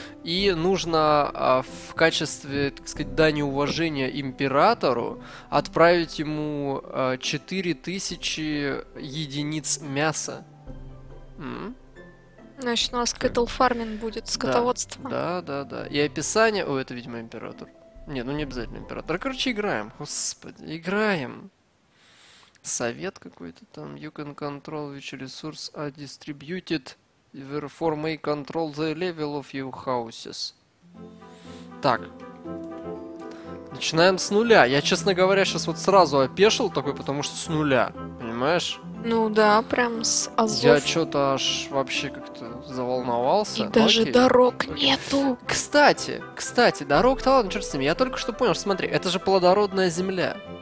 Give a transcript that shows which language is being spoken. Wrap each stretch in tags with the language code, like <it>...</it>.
<ru>И нужно в качестве, так сказать, дани уважения императору отправить ему 4000 единиц мяса. Значит, у нас cattle farming будет, скотоводство. Да, да, да. И описание... О, это, видимо, император. Не, ну не обязательно император. Короче, играем. Господи, играем. Совет какой-то там.</ru> <en>You can control which resource are distributed. Therefore, may control the level of your houses.</en> <ru>Так. Начинаем с нуля. Я, честно говоря, сейчас вот сразу опешил такой, потому что с нуля. Понимаешь? Ну да, прям с азов. Я что-то аж вообще как-то заволновался. И даже дорог нету. Кстати, дорог-то ладно, черт с ним. Я только что понял, смотри, это же плодородная земля.</ru>